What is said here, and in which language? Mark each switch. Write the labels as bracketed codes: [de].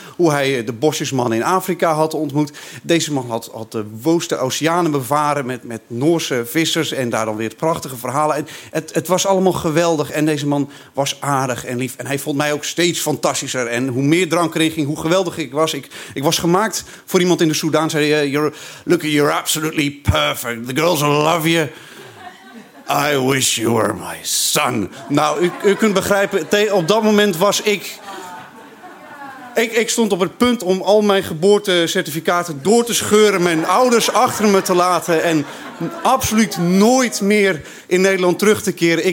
[nl] Hoe hij de bosjesman in Afrika had ontmoet. Deze man had de woeste oceanen bevaren met Noorse vissers. En daar dan weer het prachtige verhalen. En het was allemaal geweldig. En deze man was aardig en lief. En hij vond mij ook steeds fantastischer. En hoe meer drank erin ging, hoe geweldig ik was. Ik was gemaakt voor iemand in de Soedan. Zei hij, [en] you're absolutely perfect. The girls will love you. I wish you were my son. [nl] Nou, u kunt begrijpen, op dat moment was ik... Ik stond op het punt om al mijn geboortecertificaten door te scheuren. Mijn ouders achter me te laten. En absoluut nooit meer in Nederland terug te keren.